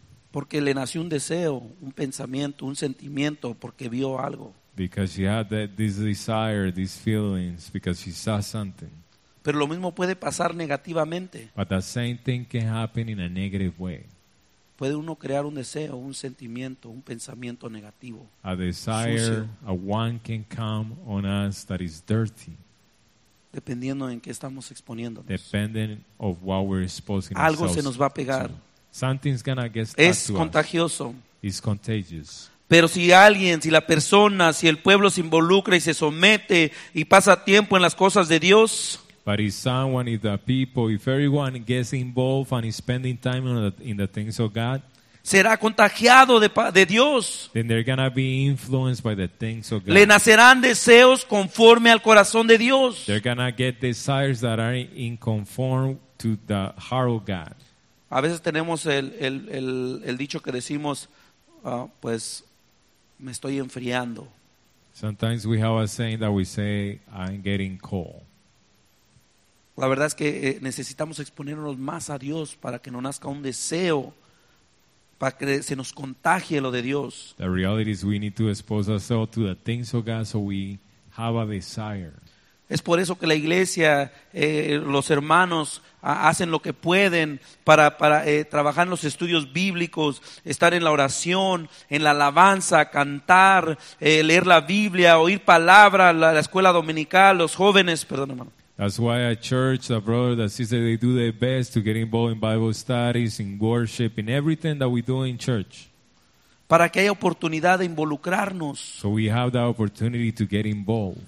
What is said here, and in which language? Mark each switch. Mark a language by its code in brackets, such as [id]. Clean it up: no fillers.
[es] Porque le nació un deseo, un pensamiento, un sentimiento, porque vio algo. [en] Because she had this desire, these feelings, because she saw something. [es] Pero lo mismo puede pasar negativamente. [en] But the same thing can happen in a negative way. [es] Puede uno crear un deseo, un sentimiento, un pensamiento negativo. [en] A desire, a one can come on us that is dirty. [es] Dependiendo en qué estamos exponiéndonos. [en] Depending of what we're exposing. [es] Algo se nos va a pegar. [en] Something's gonna get stuck. [es] Es contagioso. [en] It's contagious. [es] Pero si alguien, si la persona, si el pueblo se involucra y se somete y pasa tiempo en las cosas de Dios. [en] But if someone, if the people, if everyone gets involved and is spending time in the things of God, [es] será contagiado de Dios. [en] Then they're gonna be influenced by the things of God. [es] Le nacerán deseos conforme al corazón de Dios. [en] They're gonna get desires that are in conform to the heart of God. [es] A veces tenemos el dicho que decimos, pues, me estoy enfriando. [en] Sometimes we have a saying that we say, I'm getting cold. [es] La verdad es que necesitamos exponernos más a Dios para que no nazca un deseo, para que se nos contagie lo de Dios. [en] The reality is we need to expose ourselves to the things of God so we have a desire. [es] Es por eso que la iglesia, los hermanos hacen lo que pueden para trabajar en los estudios bíblicos, estar en la oración, en la alabanza, cantar, leer la Biblia, oír palabra, la escuela dominical, los jóvenes, perdón hermano. [en] That's why a church, a brother, a sister, they do their best to get involved in Bible studies, in worship, in everything that we do in church. [es] Para que haya oportunidad de involucrarnos. [en] So we have the opportunity to get involved.